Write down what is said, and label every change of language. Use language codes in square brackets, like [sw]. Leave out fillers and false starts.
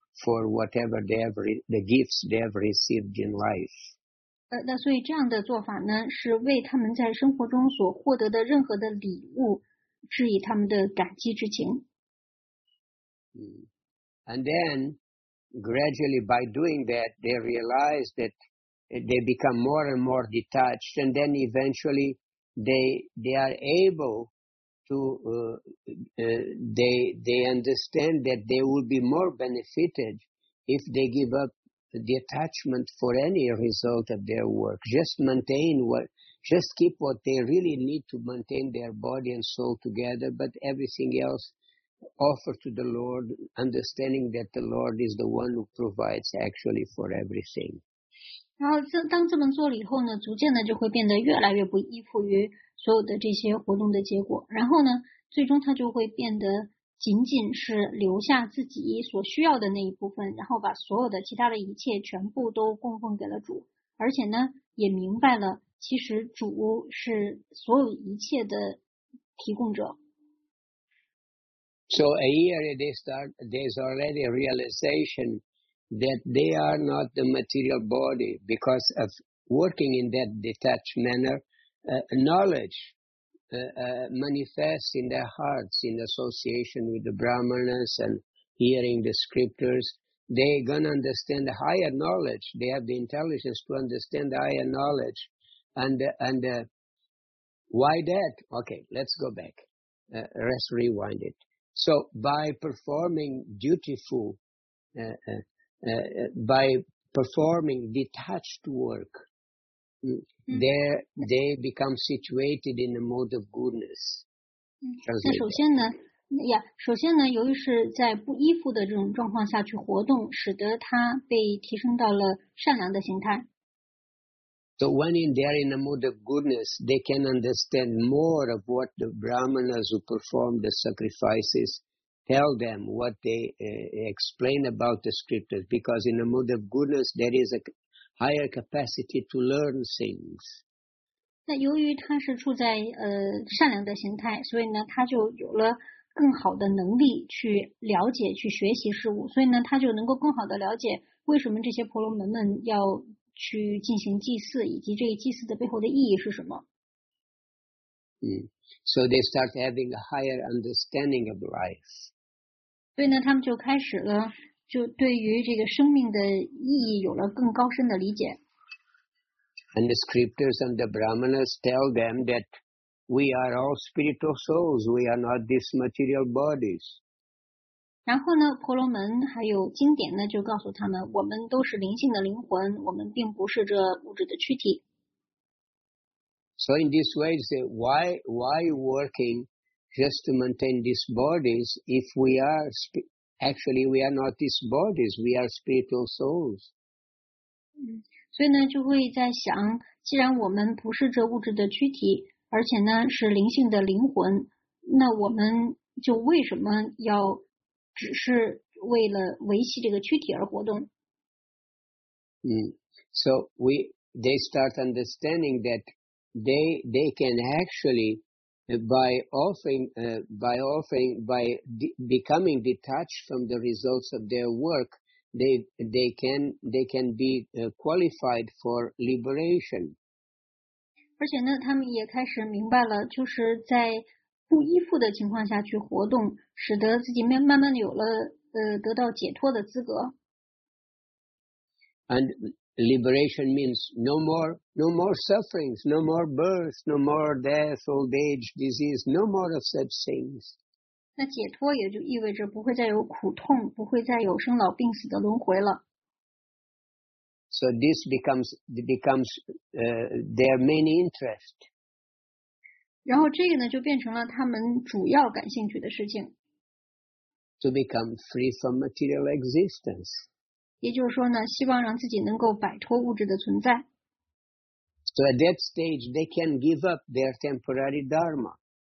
[en] for whatever the gifts they have received in life. [zh] 那所以这样的做法呢，是为他们在生活中所获得的任何的礼物，致以他们的感激之情。 [en] And then, gradually by doing that, they realize that they become more and more detached, and then eventually they are able to, they understand that they will be more benefited if they give up the attachment for any result of their work. Just keep what they really need to maintain their body and soul together, but everything else offer to the Lord, understanding that the Lord is the one who provides actually for everything. [zh] 然后当这么做了以后呢，逐渐的就会变得越来越不依附于所有的这些活动的结果，然后呢，最终他就会变得仅仅是留下自己所需要的那一部分，然后把所有的其他的一切全部都供奉给了主，而且呢，也明白了其实主是所有一切的提供者。 [en] So a year there's already a realization that they are not the material body because of working in that detached manner. Knowledge manifests in their hearts in association with the Brahmanas and hearing the scriptures. They're going to understand the higher knowledge. They have the intelligence to understand the higher knowledge. And why that? Okay, let's go back. Let's rewind it. So by performing detached work, they become situated in the mode of goodness. [zh] 首先呢，由于是在不依附的这种状况下去活动，使得它被提升到了善良的形态。 [en] So when they are in a mood of goodness, they can understand more of what the Brahmanas who perform the sacrifices tell them, what they explain about the scriptures. Because in a mood of goodness, there is a higher capacity to learn things. [zh] 那由于他是处在善良的形态，所以呢，他就有了更好的能力去了解、去学习事物。所以呢，他就能够更好的了解为什么这些婆罗门们要去进行祭祀，以及这个祭祀的背后的意义是什么。 [en] So they start having a higher understanding of life. [zh] 所以呢，他们就开始了，就对于这个生命的意义有了更高深的理解。 [en] And the scriptures and the Brahmanas tell them that we are all spiritual souls. We are not these material bodies. [zh] 然后呢，婆罗门还有经典呢，就告诉他们，我们都是灵性的灵魂，我们并不是这物质的躯体。 [en] So in this way, why working just to maintain these bodies if we are actually we are not these bodies, we are spiritual souls. [zh] 所以呢，就会在想，既然我们不是这物质的躯体，而且呢是灵性的灵魂，那我们就为什么要只是为了维系这个躯体而活动？ [en] So they start understanding that. They can actually by becoming detached from the results of their work, they can be qualified for liberation. [zh] 而且呢，他们也开始明白了，就是在不依附的情况下去活动，使得自己慢慢有了得到解脱的资格。 [en] And liberation means no more sufferings, no more births, no more death, old age, disease, no more of such things. [zh] 那解脱也就意味着不会再有苦痛，不会再有生老病死的轮回了。 [en] So this becomes their main interest. [zh] 然后这个呢，就变成了他们主要感兴趣的事情。 [en] To become free from material existence. [zh] 也就是说呢，希望让自己能够摆脱物质的存在。 [en] So at that stage, they can give up their temporary dharma.